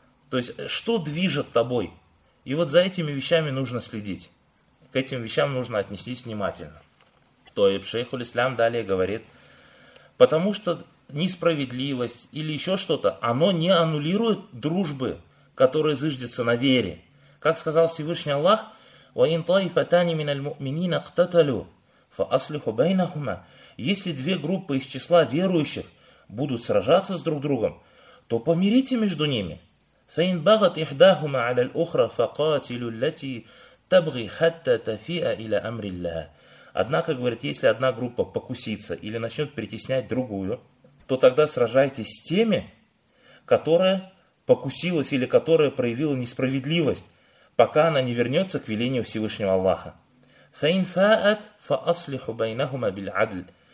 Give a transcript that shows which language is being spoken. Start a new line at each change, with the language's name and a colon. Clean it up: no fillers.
Russian: То есть, что движет тобой? И вот за этими вещами нужно следить. К этим вещам нужно отнестись внимательно. То и шейх аль-Ислам далее говорит, потому что несправедливость или еще что-то, оно не аннулирует дружбы, которая зиждется на вере. Как сказал Всевышний Аллах,
Arabic: وَإِنْ طَائِفَتَانِ مِنَ الْمُؤْمِنِينَ اقْتَتَلُوا فَأَصْلِحُوا بَيْنَهُمَا.
Russian: Если две группы из числа верующих будут сражаться с друг другом, то помирите между ними.
Arabic: فإن بغت إحداهما على الأخرى فقاتلوا التي تبغي حتى تفيء إلى أمر الله.
Russian: Однако, говорит, если одна группа покусится или начнет притеснять другую, то тогда сражайтесь с теми, которая покусилась или которая проявила несправедливость, пока она не вернется к велению Всевышнего Аллаха.
Arabic: فَإِنْ فَاءَتْ فَأَصْلِحُ بَيْنَهُمَا بِالْعَدْلِ.